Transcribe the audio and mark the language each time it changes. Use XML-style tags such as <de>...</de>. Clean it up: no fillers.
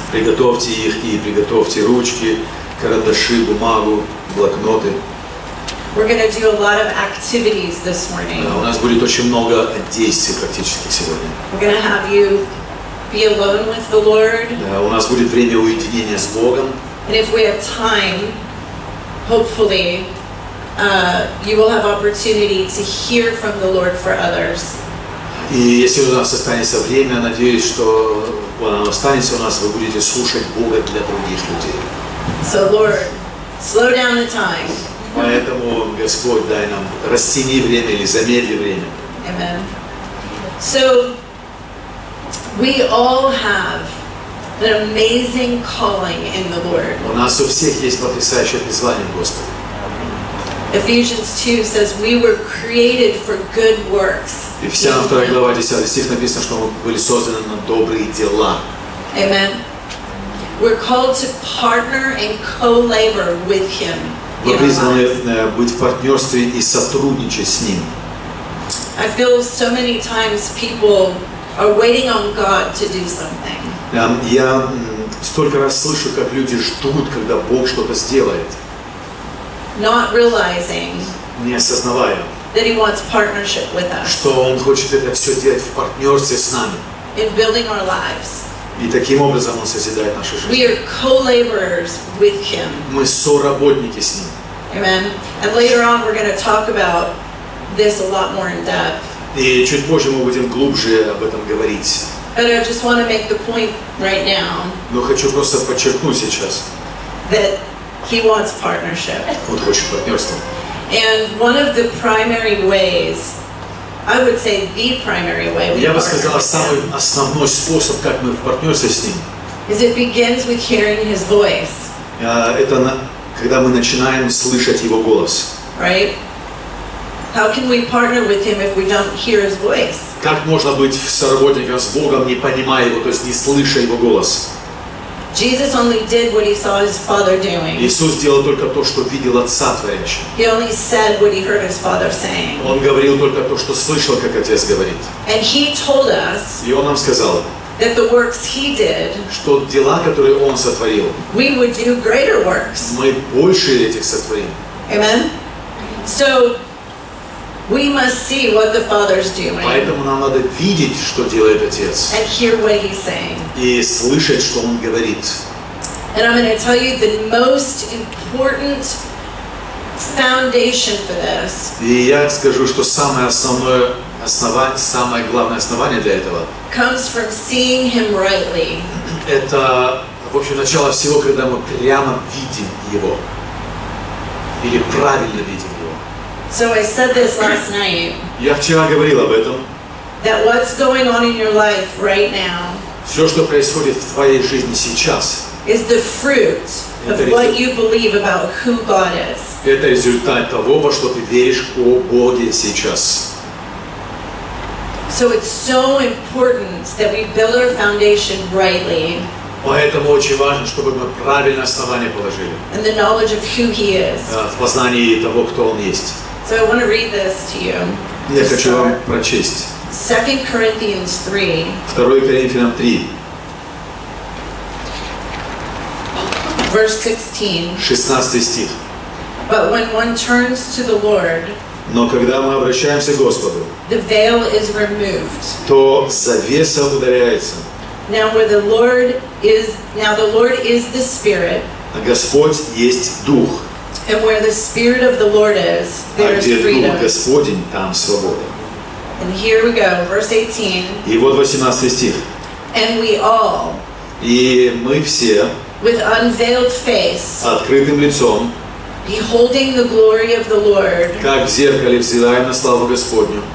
<ru>Приготовьте их и приготовьте ручки, карандаши, бумагу, блокноты.</ru> <en>We're going to do a lot of activities this morning.</en> <ru>У нас будет очень много действий практически сегодня.</ru> <en>We're going to have you. Be alone with the Lord.</en> <ru>Да, у нас будет время уединения с Богом.</ru> <en>And if we have time, hopefully, you will have opportunity to hear from the Lord for others.</en> <ru>И если у нас останется время, надеюсь, что оно останется у нас, вы будете слушать Бога для других людей.</ru> <en>So Lord, slow down the time.</en> <ru>Поэтому Господь, дай нам растяни время или замедли время.</ru> <en>Amen. So. We all have an amazing calling in the Lord.</en> <ru>У нас у всех есть потрясающее призвание в Господе.</ru> <en>Ephesians 2 says we were created for good works.</en> <ru>И вся вторая глава 10 стих написано, что мы были созданы на добрые дела.</ru> <en>Amen. We're called to partner and co-labor with Him.</en> <ru>Мы призваны быть в партнерстве и сотрудничать с Ним.</ru> <en>I feel so many times people are waiting on God to do something.</en> <ru>Я столько раз слышу, как люди ждут, когда Бог что-то сделает.</ru> <en>Not realizing.</en> <ru>Не осознавая.</ru> <en>That He wants partnership with us.</en> <ru>Что Он хочет это все делать в партнерстве с нами.</ru> <en>In building our lives.</en> <ru>И таким образом Он созидает нашу жизнь.</ru> <en>We are co-laborers with Him.</en> <ru>Мы соработники с Ним.</ru> <en>Amen. And later on we're going to talk about this a lot more in depth.</en> <ru>И чуть позже мы будем глубже об этом говорить.</ru> <en>But I just want to make the point right now.</en> <ru>Но хочу просто подчеркнуть сейчас.</ru> <en>That He wants partnership.</en> <ru>Он хочет партнерства.</ru> <en>And one of the primary ways, I would say the primary way we partner.</en> <ru>Я бы сказала самый основной способ, как мы в партнерстве с Ним.</ru> <en>Is it begins with hearing His voice.</en> <ru>Это когда мы начинаем слышать Его голос.</ru> <en>Right? How can we partner with Him if we don't hear His voice?</en> <ru>Как можно быть в соработнике с Богом, не понимая Его, то есть не слыша Его голос?</ru> <en>Jesus only did what He saw His Father doing.</en> <ru>Иисус делал только то, что видел Отца творящим.</ru> <en>He only said what He heard His Father saying.</en> <ru>Он говорил только то, что слышал, как Отец говорит.</ru> <en>And He told us.</en> <ru>И Он нам сказал.</ru> <en>That the works He did.</en> <ru>Что дела, которые Он сотворил.</ru> <en>We would do greater works.</en> <ru>Мы больше этих сотворим.</ru> <en>Amen. So we must see what the Father's doing.</en> <ru>Поэтому нам надо видеть, что делает Отец.</ru> <en>And hear what He's saying.</en> <ru>И слышать, что Он говорит.</ru> <en>And I'm going to tell you the most important foundation for this.</en> <ru>И я скажу, что самое основное основание, самое главное основание для этого.</ru> <en>Comes from seeing Him rightly.</en> <ru>Это, в общем, начало всего, когда мы прямо видим Его. Или правильно видим.</ru> <en>So I said this last night.</en> <ru>Я вчера говорил об этом.</ru> <en>That what's going on in your life right now.</en> <ru>Все, что происходит в твоей жизни сейчас.</ru> <en>Is the fruit of what you believe about who God is.</en> <ru>Это результат того, во что ты веришь о Боге сейчас.</ru> <en>So it's so important that we build our foundation rightly.</en> <ru>Поэтому очень важно, чтобы мы правильное основание положили.</ru> <en>And the knowledge of who He is.</en> <ru>В познании того, кто Он есть.</ru> <en>So I want to read this to you.</en> <ru>Я хочу вам прочесть.</ru> <en>2 Corinthians 3.</en> <ru>2 Коринфянам 3.</ru> <en>Verse 16.</en> <ru>16 стих.</ru> <en>But when one turns to the Lord,</en> <ru>но когда мы обращаемся к Господу,</ru> <en>the veil is removed.</en> <ru>То завеса удаляется.</ru> <en>Now where the Lord is, now the Lord is the Spirit.</en> <ru>А Господь есть Дух.</ru> <en>And where the Spirit of the Lord is, there is freedom.</en> <ru>А где Дух Господень, там свобода.</ru> <en>And here we go, verse 18.</en> <ru>И вот 18 стих.</ru> <en>And we all.</en> <ru>И мы все.</ru> <en>With unveiled face.</en> <ru>Открытым лицом.</ru> <en>Beholding the glory of the Lord.</en> <ru>Как в зеркале взираем на славу Господню.</ru>